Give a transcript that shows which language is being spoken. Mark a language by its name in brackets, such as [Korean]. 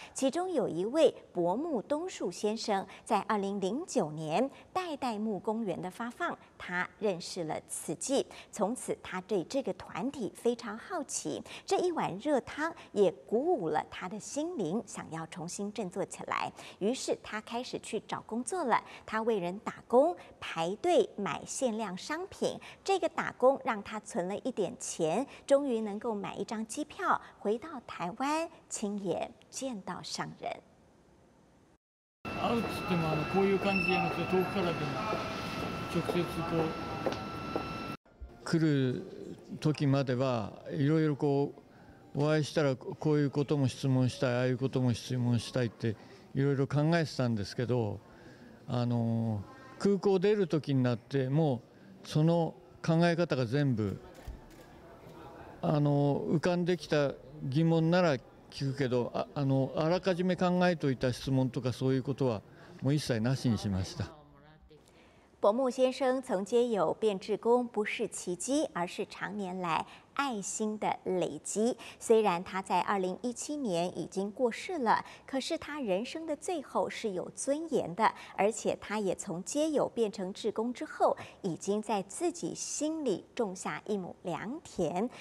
[Chinese] 其中有一位薄暮东树先生，在2009年代代木公园的发放，他认识了慈济，从此他对这个团体非常好奇，这一碗热汤也鼓舞了他的心灵，想要重新振作起来。于是他开始去找工作了，他为人打工，排队买限量商品，这个打工让他存了一点钱，终于能够买一张机票回到台湾，亲眼见到上人。 [Japanese] 会うっつってもこういう感じで遠くからでも直接こう来る時まではいろいろこうお会いしたらこういうことも質問したい、ああいうことも質問したいっていろいろ考えてたんですけど、空港出る時になってもうその考え方が全部浮かんできた疑問なら聞くけど、あらかじめ考えておいた質問とかそういうことはもう一切なしにしました。 [Chinese] 薄暮先生从街友变志工不是奇迹，而是常年来爱心的累积。虽然他在2017年已经过世了，可是他人生的最后是有尊严的，而且他也从街友变成志工之后，已经在自己心里种下一亩良田。